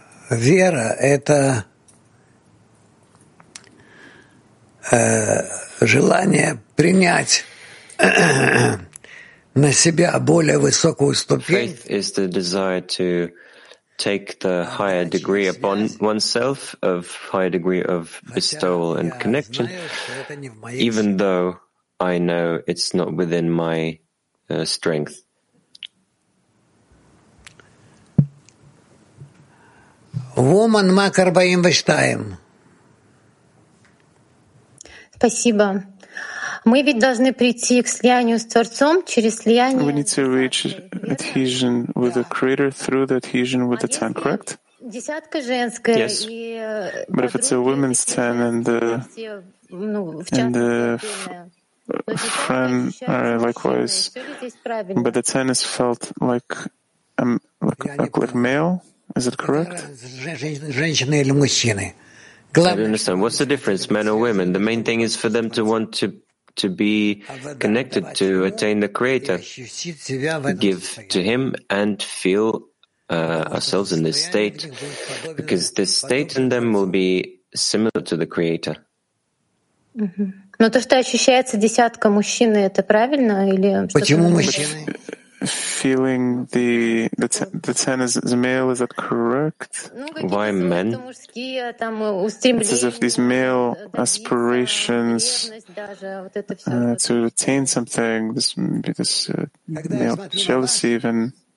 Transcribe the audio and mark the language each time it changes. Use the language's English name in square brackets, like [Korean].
[Russian] Вера — это желание принять на себя более высокую ступень. [English] Faith is the desire to take the higher degree upon oneself, of higher degree of bestowal and connection, even though I know it's not within my strength. Woman Mac 42. [Russian] Спасибо. Мы ведь должны прийти к слиянию с Творцом через слияние. [English] We need to reach adhesion with the Creator through the adhesion with the Ten, correct? [Russian] Десятка женская. [English] Yes. But if it's a women's ten and the friend are likewise, but the ten is felt like male. Is it correct? I don't understand. What's the difference, men or women? The main thing is for them to want to be connected, to attain the Creator, give to Him and feel ourselves in this state, because this state in them will be similar to the Creator. [Russian] Но то, что ощущается десятка мужчин, это правильно или почему мужчины? [English] Feeling the ten is male, is that correct? Why men? It's as if these male aspirations to attain something, this male jealousy even.